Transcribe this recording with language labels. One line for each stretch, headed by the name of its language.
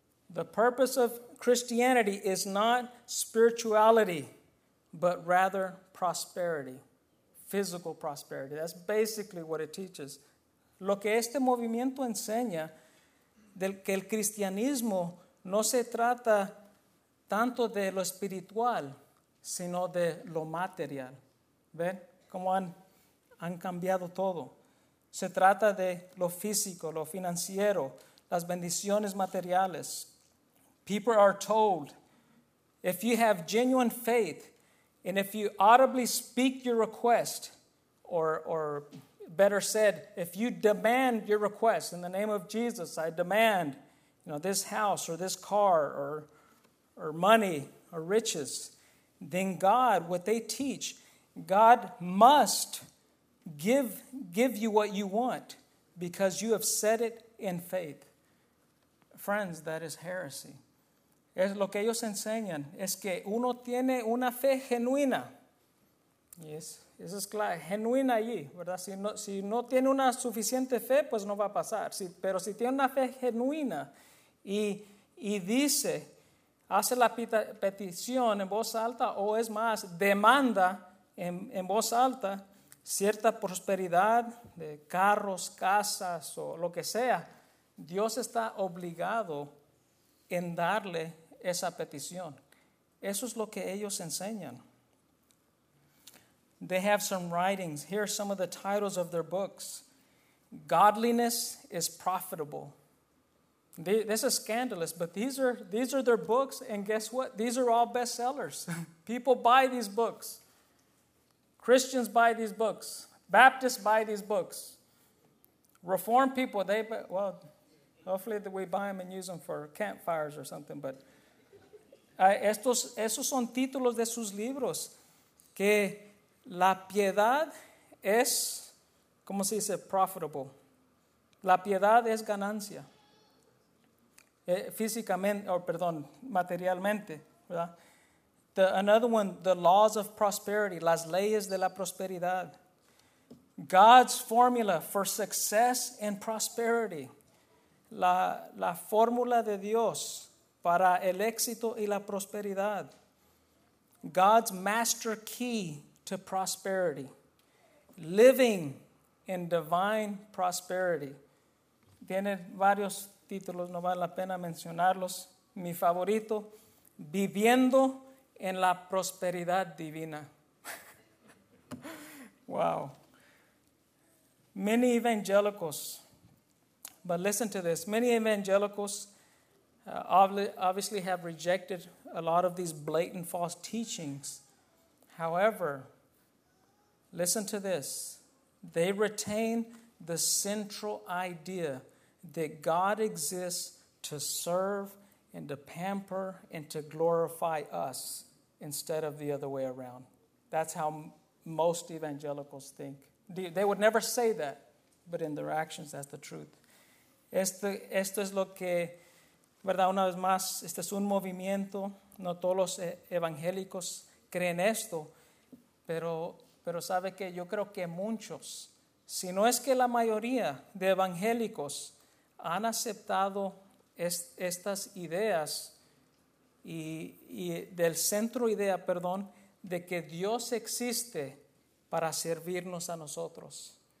English: The purpose of Christianity is not spirituality, but rather prosperity, physical prosperity. That's basically what it teaches.
Spanish: Lo que este movimiento enseña del que el cristianismo no se trata tanto de lo espiritual, sino de lo material. ¿Ven? Como han cambiado todo. Se trata de lo físico, lo financiero, las bendiciones materiales.
English: People are told, if you have genuine faith, and if you audibly speak your request, or better said, if you demand your request in the name of Jesus, I demand, you know, this house or this car or money or riches, then God, what they teach, God must give you what you want because you have said it in faith. Friends, that is heresy.
Spanish: Es lo que ellos enseñan, es que uno tiene una fe genuina.
English: Yes.
Spanish: Eso es claro, genuina allí, ¿verdad? Si no tiene una suficiente fe, pues no va a pasar. Pero si tiene una fe genuina y dice, hace la petición en voz alta o es más, demanda en voz alta cierta prosperidad de carros, casas o lo que sea, Dios está obligado en darle esa petición. Eso es lo que ellos enseñan.
English: They have some writings. Here are some of the titles of their books. Godliness is Profitable. This is scandalous, but these are their books, and guess what? These are all bestsellers. People buy these books. Christians buy these books. Baptists buy these books. Reformed people, hopefully we buy them and use them for campfires or something, but
Spanish: esos son títulos de sus libros que la piedad es, ¿cómo se dice? Profitable. La piedad es ganancia. Físicamente, materialmente, ¿verdad?
English: Another one, the laws of prosperity,
Spanish: las leyes de la prosperidad.
English: God's formula for success and prosperity.
Spanish: La fórmula de Dios para el éxito y la prosperidad.
English: God's master key to prosperity. Living in divine prosperity.
Spanish: Tiene varios títulos, no vale la pena mencionarlos. Mi favorito, viviendo en la prosperidad divina.
English: Wow. Many evangelicals, but listen to this. Many evangelicals obviously have rejected a lot of these blatant false teachings. However, listen to this. They retain the central idea that God exists to serve and to pamper and to glorify us instead of the other way around. That's how most evangelicals think. They would never say that, but in their actions, that's the truth.
Spanish: Esto es lo que, verdad, una vez más, este es un movimiento. No todos los evangélicos creen esto, pero sabe que yo creo que muchos, si no es que la mayoría de evangélicos han aceptado estas ideas y del centro idea, perdón, de que Dios existe para servirnos a nosotros.